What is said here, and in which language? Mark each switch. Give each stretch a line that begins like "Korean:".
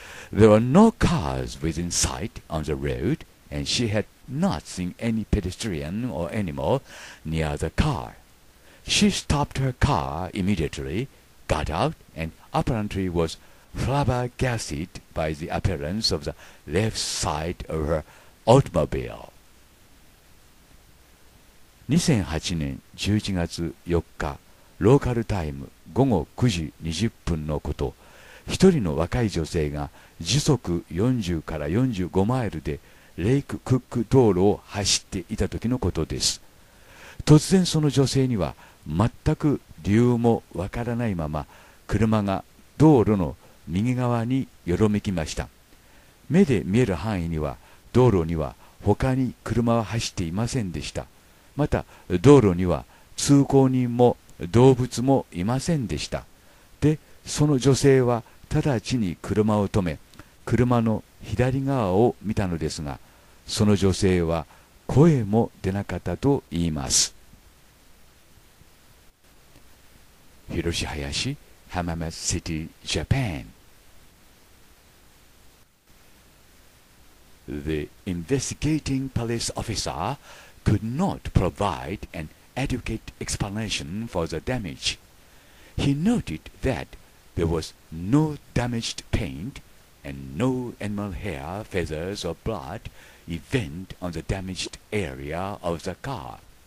English: There were no cars within sight on the road, and she had not seen any pedestrian or animal near the car. She stopped her car immediately, got out, and apparently was flabbergasted by the appearance of the left side of her automobile.
Japanese: 2008年11月4日、ローカルタイム午後9時20分のこと、一人の若い女性が時速40から45マイルでレイククック道路を走っていた時のことです。突然その女性には全く理由もわからないまま車が道路の右側によろめきました。目で見える範囲には道路には他に車は走っていませんでした。また道路には通行人も動物もいませんでした。で、その女性は直ちに車を止め、車の左側を見たのですが、その女性は声も出なかったと言います。広志林、浜松シティ、ジャパン。
English: The investigating police officer could not provide an adequate explanation for the damage. He noted that there was no damaged paint and no animal hair, feathers or blood event on the damaged area of the car.